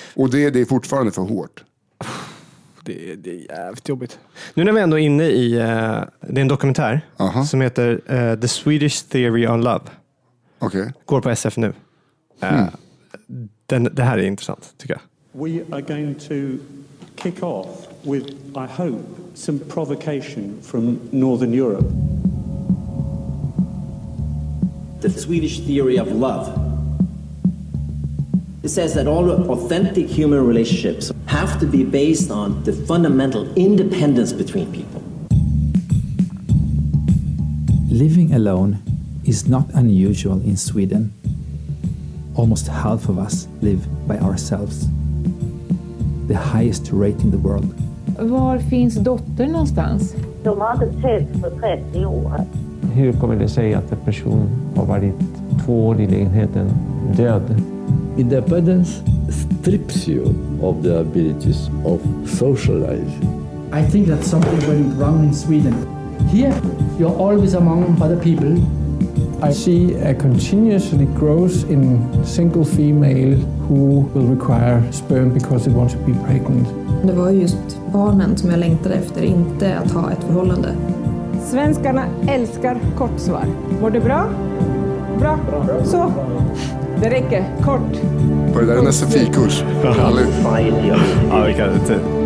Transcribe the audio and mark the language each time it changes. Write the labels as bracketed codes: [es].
[sv] Och det är fortfarande för hårt. Det är jävligt jobbigt. Nu när vi ändå är inne i det är en dokumentär. Aha. Som heter The Swedish Theory on Love. [en] Okay. [sv] Går på SF nu. Det här är intressant tycker jag. [en] We are going to kick off with, I hope, some provocation from Northern Europe. The Swedish Theory of Love. It says that all authentic human relationships have to be based on the fundamental independence between people. Living alone is not unusual in Sweden. Almost half of us live by ourselves. The highest rate in the world. [sv] Var finns dotter någonstans? De har inte sett för 30 år. Hur kommer det sig att en person har varit 2 år i lägenheten död? [en] Independence strips you of the abilities of socialize. I think that something went wrong in Sweden. Here, you're always among other people. I see a continuously growth in single female who will require sperm because they want to be pregnant. [sv] Det var just barnen som jag längtade efter, inte att ha ett förhållande. Svenskarna älskar kort svar. Mår det bra? Bra. Så. Det räcker. Kort. Var det där en SFI-kurs? Ja, vi kan inte.